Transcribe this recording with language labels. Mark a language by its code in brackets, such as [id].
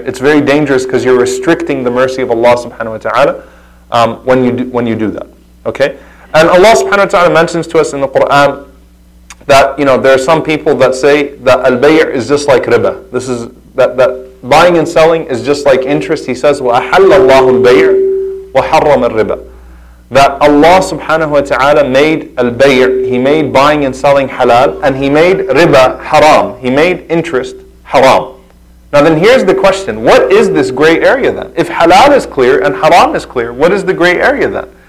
[en] It's very dangerous because you're restricting the mercy of Allah subhanahu wa ta'ala when you do that. Okay? And Allah subhanahu wa ta'ala mentions to us in the Quran that, you know, there are some people that say that al-bay' is just like riba. This is that buying and selling is just like interest. He says, [ar] وَأَحَلَّ اللَّهُ الْبَيْعِ وَحَرَّمَ الرِّبَى. [en] That Allah subhanahu wa ta'ala made al-bay', He made buying and selling halal, and He made riba haram. He made interest haram. Now then here's the question, what is this gray area then? If halal is clear and haram is clear, what is the gray area then?